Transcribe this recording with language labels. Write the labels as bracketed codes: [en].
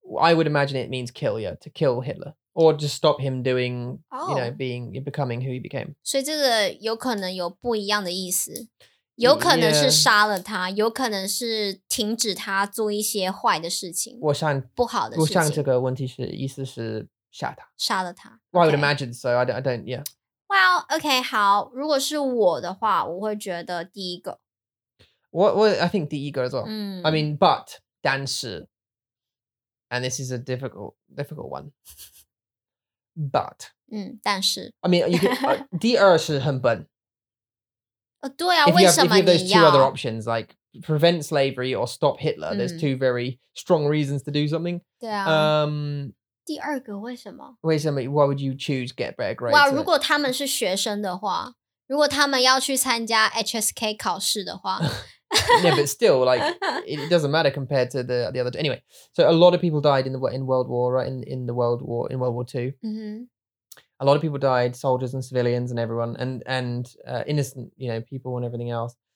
[en] I would imagine it means kill yeah to kill Hitler or just stop him doing、 oh. you know being becoming who he became [zh] 所以这个有可能有不一样的意思有可能是杀了他、 [en] yeah. [zh] 有可能是停止他做一些坏的事情我想不好的事情我想这个问题是意思是杀他杀了他、 [en] well, I would imagine so I don't yeah Well, okay, [zh] 好如果是我的话我会觉得第一个。 [en] I think [zh] 第一个 [en] as well.、嗯、 I mean, but, 但是 and this is a difficult one. But. [zh] 嗯但是。 [en] I mean, you could, [zh] 第二是很笨。对啊为什么你要 [en] If you have those two other options, like prevent slavery or stop Hitler,、嗯、there's two very strong reasons to do something. [zh] 对啊。第二个为什么？为什么 [en] ？Why would you choose get better grades？ [zh] 哇，如果他们是学生的话，如果他们要去参加 HSK 考试的话 [en] ，Yeah, but still, like it doesn't matter compared to the other. Anyway, so a lot of people died in World War, right? In the World War, in World War Two,、 mm-hmm. a lot of people died, soldiers and civilians and everyone, and innocent, you know, people and everything else.